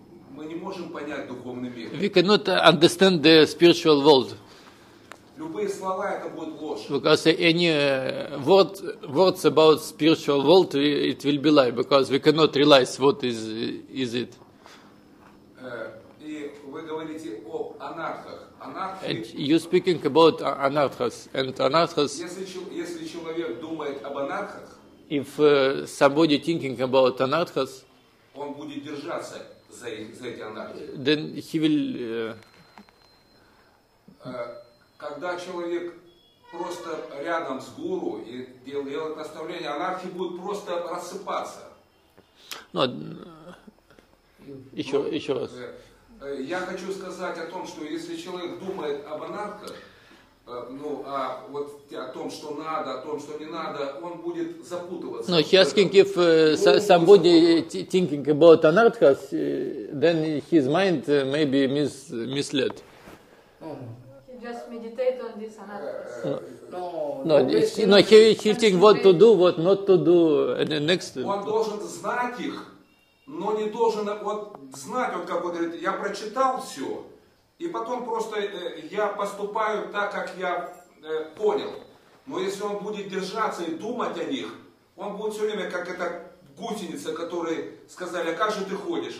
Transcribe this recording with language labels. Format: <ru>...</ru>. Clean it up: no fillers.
<ru>Мы не можем понять духовный мир.</ru> <en>We cannot understand the spiritual world.</en> <ru>Любые слова это будет ложь.</ru> <en>Because any words about spiritual world it will be lie because we cannot realize what is it.</en> <ru>И вы говорите о анартхах.</ru> <en>Анартхи. You speaking about anarthas and anarthas.</en> <ru>Если человек думает об анартхах.</ru> <en>If somebody thinking about anarthas.</en> <ru>Он будет держаться. За</ru> <en>then he will.</en> <ru>Когда человек просто рядом с гуру и делает наставление, анархи будет просто рассыпаться. Ну, еще раз. Я хочу сказать о том, что если человек думает об анархах, ну, а вот о том, что надо, о том, что не надо, он будет запутываться.</ru> <en>No, he asking if somebody thinking about anarthas, then his mind maybe misled. Just meditate on this anarthas. No, he thinking what to do, what not to do, and the next.</en> <ru>Он должен знать их, но не должен вот знать, вот как вот говорит, я прочитал все. И потом просто я поступаю так, как я понял. Но если он будет держаться и думать о них, он будет все время как эта гусеница, которой сказали, а как же ты ходишь?</ru>